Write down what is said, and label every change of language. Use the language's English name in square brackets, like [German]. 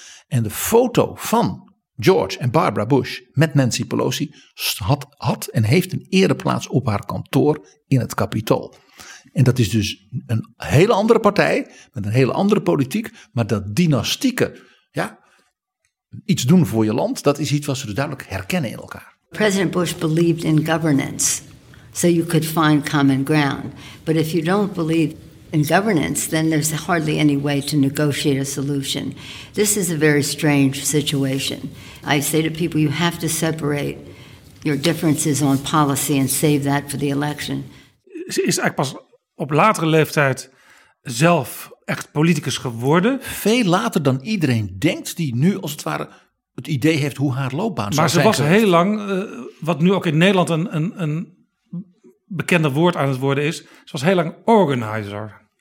[Dutch] En de foto van George en Barbara Bush met Nancy Pelosi had en heeft een ereplaats op haar kantoor in het Capitool. En dat is dus een hele andere partij, met een hele andere politiek, maar dat dynastieke, ja, iets doen voor je land, dat is iets wat ze dus duidelijk herkennen in elkaar. [English] President Bush believed in governance, so you could find common ground. But if you don't believe in governance, then there's hardly any way to negotiate a solution. This is a very strange situation. I say to people, you have to separate your differences on policy and save that for the election. [Dutch] Ze is eigenlijk pas op latere leeftijd zelf echt politicus geworden. Veel later dan iedereen denkt die nu als het ware het idee heeft hoe haar loopbaan zou zijn. Maar ze was heel lang, wat nu ook in Nederland een bekende woord aan het worden is, ze was heel lang organizer.